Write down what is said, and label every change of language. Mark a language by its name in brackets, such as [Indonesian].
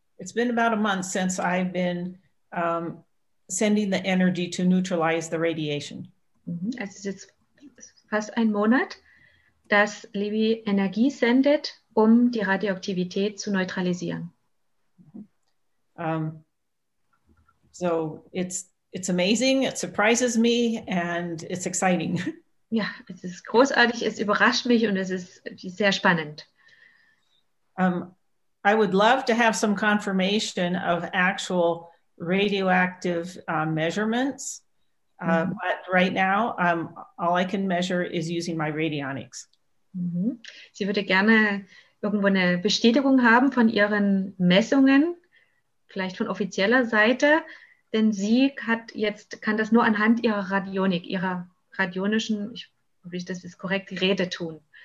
[English] It's been about a month since I've been sending the energy to neutralize the radiation. [German] Also es ist jetzt fast ein Monat, dass Libby Energie sendet, um die Radioaktivität zu neutralisieren. [English] So it's amazing, it surprises me and it's exciting. [German] Ja, es ist großartig, es überrascht mich und es ist sehr spannend. [English] I would love to have some confirmation of actual radioactive measurements. But right now, all I can measure is using my radionics. [German] Sie würde gerne irgendwo eine Bestätigung haben von ihren Messungen, vielleicht von offizieller Seite, denn sie kann das nur anhand ihrer Radionik, ihrer radionischen, ich hoffe, das ist korrekt, Rede tun.